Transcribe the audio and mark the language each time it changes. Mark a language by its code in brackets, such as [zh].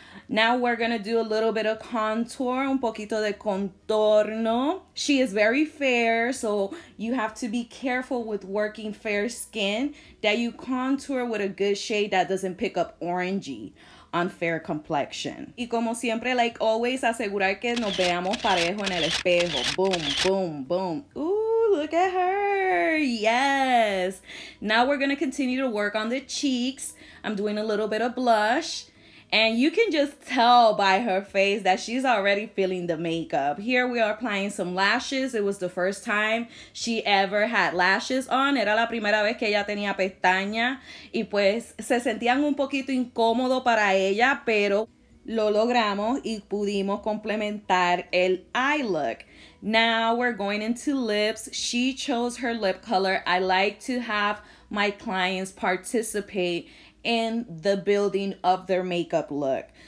[en] Now we're gonna do a little bit of contour, [es] un poquito de contorno. [en] She is very fair, so you have to be careful with working fair skin that you contour with a good shade that doesn't pick up orangey on fair complexion. [es] Y como siempre, [en] like always, [es] asegurar que nos veamos parejo en el espejo. [en] Boom, boom, boom. Ooh, look at her. Yes. Now we're gonna continue to work on the cheeks. I'm doing a little bit of blush. And you can just tell by her face that she's already feeling the makeup. Here we are applying some lashes. It was the first time she ever had lashes on. [es] Era la primera vez que ella tenía pestaña. Y pues se sentían un poquito incómodo para ella, pero lo logramos y pudimos complementar el eye look. [en] Now we're going into lips. She chose her lip color. I like to have my clients participate in the building of their makeup look.